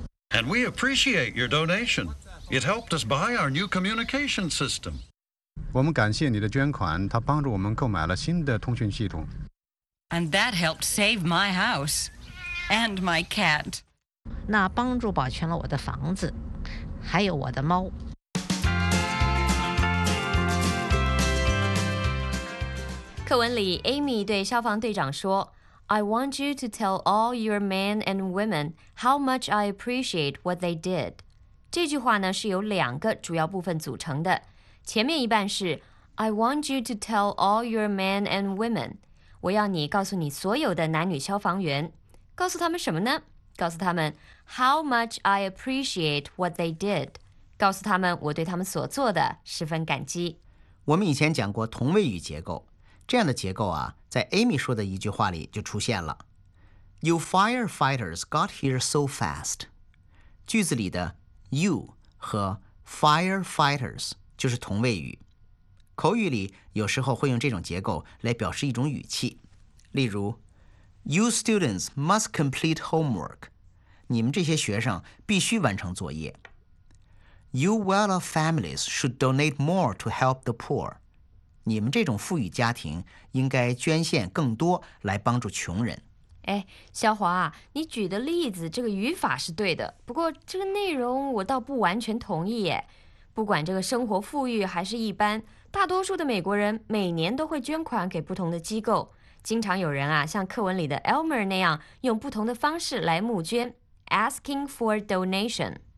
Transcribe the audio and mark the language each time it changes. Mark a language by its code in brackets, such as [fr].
[en] And we appreciate your donation It helped us buy our new communication system [zh] 我们感谢你的捐款它帮助我们购买了新的通讯系统 [en] And that helped save my house And my cat [zh] 那帮助保全了我的房子还有我的猫课文里 [en] ,Amy [zh] 对消防队长说 [en] I want you to tell all your men and women how much I appreciate what they did. [zh] 这句话呢是由两个主要部分组成的。前面一半是 [en] I want you to tell all your men and women. [zh] 我要你告诉你所有的男女消防员。告诉他们什么呢告诉他们 [en] how much I appreciate what they did. [zh] 告诉他们我对他们所做的十分感激。我们以前讲过同位语结构。这样的结构啊在 Amy 说的一句话里就出现了。 [en] You firefighters got here so fast. [zh] 句子里的 you 和 firefighters 就是同位语。口语里有时候会用这种结构来表示一种语气，例如 [en] You students must complete homework， [zh] 你们这些学生必须完成作业。 You well-off families should donate more to help the poor，你们这种富裕家庭应该捐献更多来帮助穷人。哎，小华，你举的例子这个语法是对的，不过这个内容我倒不完全同意耶。不管这个生活富裕还是一般，大多数的美国人每年都会捐款给不同的机构，经常有人啊像课文里的 Elmer 那样用不同的方式来募捐， [en] asking for donation。